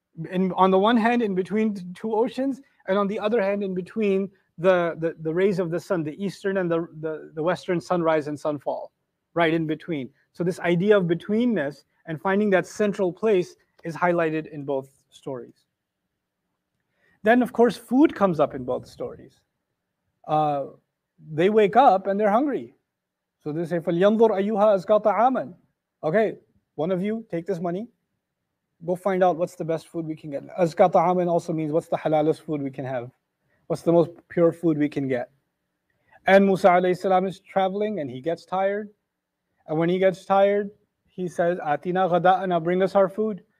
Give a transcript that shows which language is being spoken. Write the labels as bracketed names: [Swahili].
[English] And on the one hand, in between two oceans, and on the other hand, in between the rays of the sun, the eastern and the western sunrise and sunfall, right in between. So this idea of betweenness and finding that central place is highlighted in both stories. Then, of course, food comes up in both stories. They wake up and they're hungry. So they say, [Arabic] فَلْيَنْظُرْ أَيُّهَا أَزْكَى طَعَامًا. [English] Okay, one of you, take this money. Go find out what's the best food we can get. [Arabic] Azka ta'aman [English] also means what's the halalest food we can have. What's the most pure food we can get. And Musa alayhi salam is traveling and he gets tired. And when he gets tired, he says, [Arabic] Atina ghada'ana, [English] bring us our food.